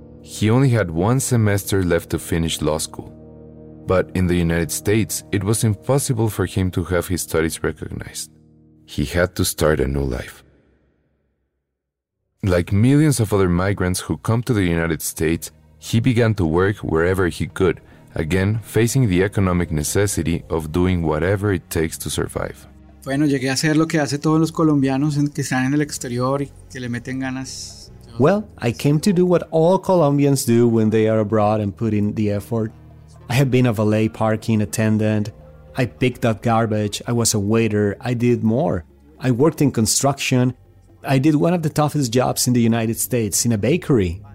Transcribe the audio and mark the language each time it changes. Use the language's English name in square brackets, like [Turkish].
[English] He only had one semester left to finish law school. But in the United States, it was impossible for him to have his studies recognized. He had to start a new life. Like millions of other migrants who come to the United States, he began to work wherever he could, again facing the economic necessity of doing whatever it takes to survive. [Spanish] Bueno, llegué a hacer lo que hacen todos los colombianos que están en el exterior y que le meten ganas. [English] Well, I came to do what all Colombians do when they are abroad and put in the effort. I have been a valet parking attendant. I picked up garbage. I was a waiter. I did more. I worked in construction. I did one of the toughest jobs in the United States, in a bakery.